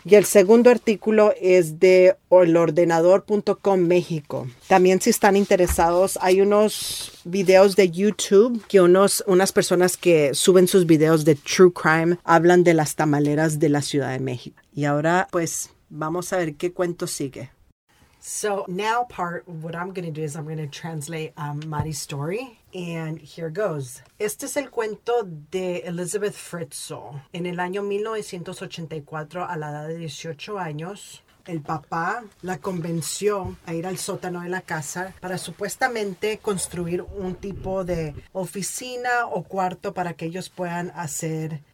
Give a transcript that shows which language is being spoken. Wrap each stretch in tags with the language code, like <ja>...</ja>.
<es>Y el segundo artículo es de elordenador.com México. También si están interesados, hay unos videos de YouTube que unas personas que suben sus videos de True Crime hablan de las tamaleras de la Ciudad de México. Y ahora, pues, vamos a ver qué cuento sigue.</es> <en>So now part, what I'm going to do is I'm going to translate Mari's story. And here goes.</en> <es>Este es el cuento de Elizabeth Fritzl. En el año 1984, a la edad de 18 años, el papá la convenció a ir al sótano de la casa para supuestamente construir un tipo de oficina o cuarto para que ellos puedan hacer...</es>